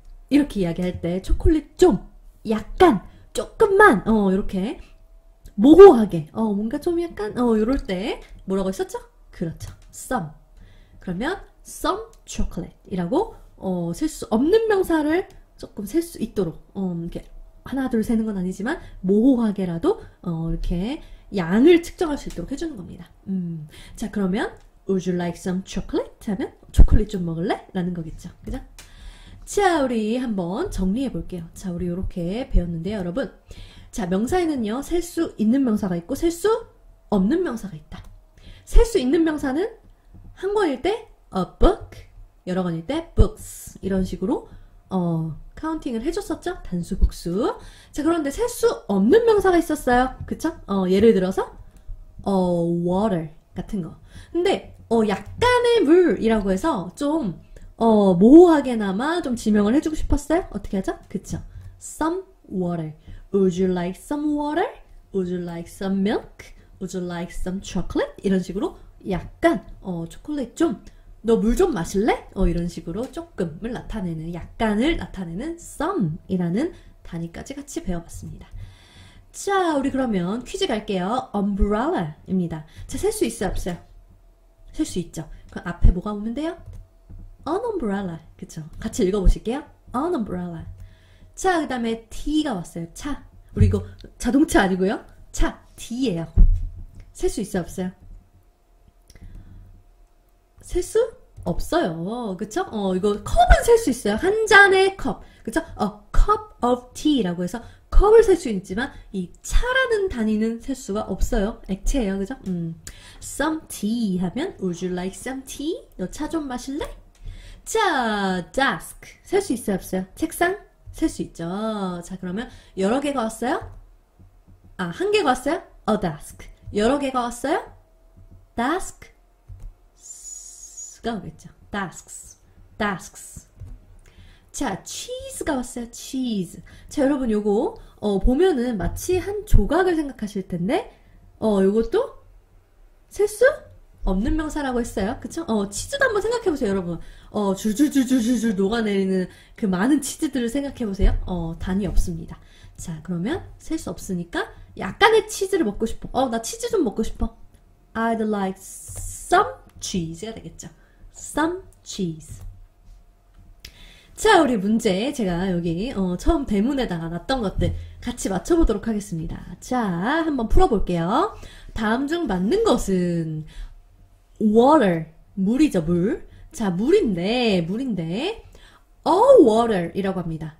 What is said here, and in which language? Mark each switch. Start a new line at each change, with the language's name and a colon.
Korean: 이렇게 이야기할 때 초콜릿 좀, 약간, 조금만, 이렇게 모호하게, 뭔가 좀 약간, 이럴 때 뭐라고 했었죠? 그렇죠. some. 그러면 some chocolate이라고 셀 수 없는 명사를 조금 셀 수 있도록 이렇게 하나 둘 세는 건 아니지만 모호하게라도 이렇게 양을 측정할 수 있도록 해주는 겁니다.
English: 자, 그러면 Would you like some chocolate?
Korean: 하면 초콜릿 좀 먹을래? 라는 거겠죠. 그죠? 자, 우리 한번 정리해 볼게요. 자, 우리 이렇게 배웠는데요, 여러분. 자, 명사에는요, 셀 수 있는 명사가 있고 셀 수 없는 명사가 있다. 셀 수 있는 명사는 한 권일 때 a book, 여러 권일 때 books 이런 식으로 카운팅을 해줬었죠? 단수, 복수. 자, 그런데 셀 수 없는 명사가 있었어요. 그쵸? 예를 들어서 water 같은 거. 근데 약간의 물이라고 해서 좀 모호하게나마 좀 지명을 해주고 싶었어요. 어떻게 하죠? 그쵸? Some water.
English: Would you like some water? Would you like some milk? Would you like some chocolate?
Korean: 이런 식으로 약간 초콜릿 좀 너 물 좀 마실래? 이런 식으로 조금을 나타내는 약간을 나타내는 some이라는 단위까지 같이 배워봤습니다. 자, 우리 그러면 퀴즈 갈게요. Umbrella입니다. 자, 셀 수 있어요? 없어요? 셀 수 있죠. 그럼 앞에 뭐가 오면 돼요?
English: An umbrella. 그쵸? 같이 읽어보실게요. An umbrella.
Korean: 자, 그 다음에 T가 왔어요. 차. 우리 이거 자동차 아니고요. 차. T예요. 셀 수 있어요? 없어요? 셀 수 없어요. 그쵸? 이거 컵은 셀 수 있어요. 한 잔의 컵. 그쵸? A cup of tea 라고 해서 컵을 셀 수 있지만 이 차라는 단위는 셀 수가 없어요. 액체예요. 그죠?
English: Some tea 하면 Would you like some tea?
Korean: 너 차 좀 마실래? 자, desk 셀 수 있어요? 없어요? 책상? 셀 수 있죠. 자, 그러면 여러 개가 왔어요? 아, 한 개가 왔어요? A desk. 여러 개가 왔어요? Desk가 오겠죠. Desks. Desks. 자, cheese가 왔어요.
English: Cheese.
Korean: 자, 여러분 요거 보면은 마치 한 조각을 생각하실 텐데 요것도 셀 수 없는 명사라고 했어요. 그쵸? 치즈도 한번 생각해보세요, 여러분. 줄줄줄줄줄줄 녹아내리는 그 많은 치즈들을 생각해보세요. 단이 없습니다. 자, 그러면 셀 수 없으니까 약간의 치즈를 먹고 싶어. 나 치즈 좀 먹고 싶어.
English: I'd like some cheese가 되겠죠. Some cheese.
Korean: 자, 우리 문제 제가 여기 처음 대문에다가 놨던 것들 같이 맞춰보도록 하겠습니다. 자, 한번 풀어볼게요. 다음 중 맞는 것은 water, 물이죠, 물. 자, 물인데 a water 이라고 합니다.